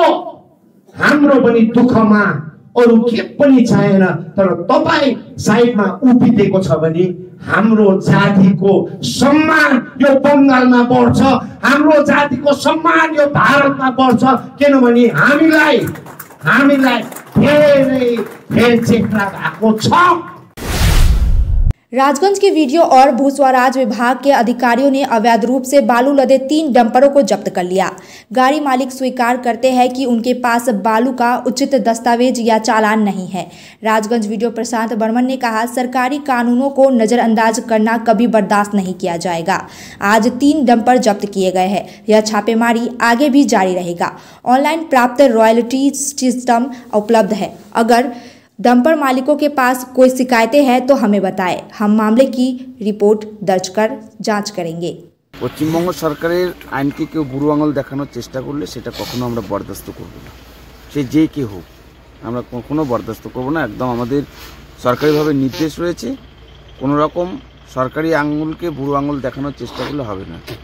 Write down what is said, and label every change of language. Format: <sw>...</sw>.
<ne>हाम्रो पनि दुःखमा अरू के पनि चाहेन, तर तपाईँ साइडमा उभिदिएको छ भने हाम्रो जातिको सम्मान यो बङ्गालमा बढ्छ, हाम्रो जातिको सम्मान यो भारतमा बढ्छ। किनभने हामीलाई धेरै हेलचेक्रा भएको छ।</ne> <hi>राजगंज के वीडियो और भू स्वराज विभाग के अधिकारियों ने अवैध रूप से बालू लदे 3 डंपरों को जब्त कर लिया। गाड़ी मालिक स्वीकार करते हैं कि उनके पास बालू का उचित दस्तावेज या चालान नहीं है। राजगंज वीडियो प्रशांत बर्मन ने कहा, सरकारी कानूनों को नजरअंदाज करना कभी बर्दाश्त नहीं किया जाएगा। आज 3 डंपर जब्त किए गए हैं, यह छापेमारी आगे भी जारी रहेगा। ऑनलाइन प्राप्त रॉयल्टी सिस्टम उपलब्ध है, अगर डंपर मालिकों के पास कोई शिकायतें हैं तो हमें बताएं, हम मामले की रिपोर्ट दर्ज कर जांच करेंगे।</hi> <bn>পশ্চিমবঙ্গ সরকারের আইনকে কেউ বুড়ো আঙুল দেখানোর চেষ্টা করলে সেটা কখনো আমরা বরদাস্ত করব না, সে যে কে হোক আমরা কখনো বরদাস্ত করব না। একদম আমাদের সরকারিভাবে নির্দেশ রয়েছে, কোনো রকম সরকারি আঙুলকে বুড়ো আঙুল দেখানোর চেষ্টা করলে হবে না।</bn>